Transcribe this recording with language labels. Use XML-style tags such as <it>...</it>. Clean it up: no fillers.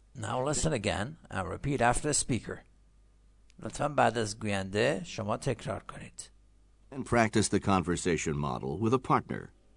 <en>Now listen again and repeat after the speaker.</en> <fa>لطفاً بعد از گوینده شما تکرار کنید.</fa> <en>And practice the conversation model with a partner.</en>